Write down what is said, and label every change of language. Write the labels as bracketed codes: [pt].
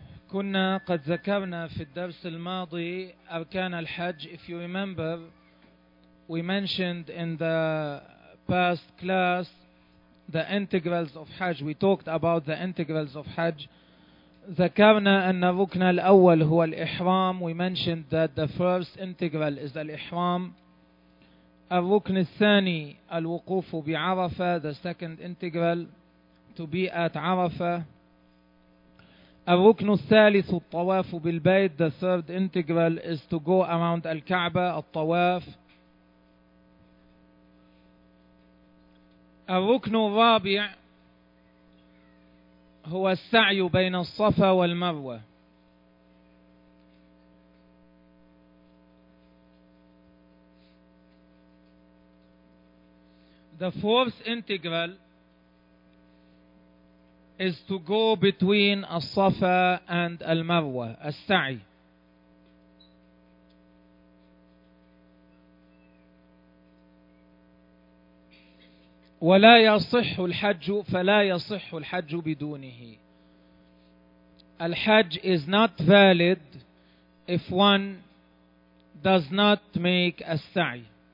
[ar] كنا قد ذكرنا في الدرس الماضي أركان الحج. [en] If you remember, we mentioned in the past class the integrals of Hajj. We talked about the integrals of Hajj. [ar] ذكرنا أن ركن الأول هو الإحرام. [en] We mentioned that the first integral is الإحرام. [ar] الركن الثاني الوقوف بعرفة. [en] The second integral to be at عرفة. [ar] الركن الثالث الطواف بالبيت. [en] The third integral is to go around الكعبة الطواف. [ar] الركن الرابع هو السعي بين الصفا والمروة. [en] The fourth integral is to go between الصفا and المروة, السعي. [ar] ولا يصح الحج فلا يصح الحج بدونه. [en] الحج is not valid if one does not make السعي.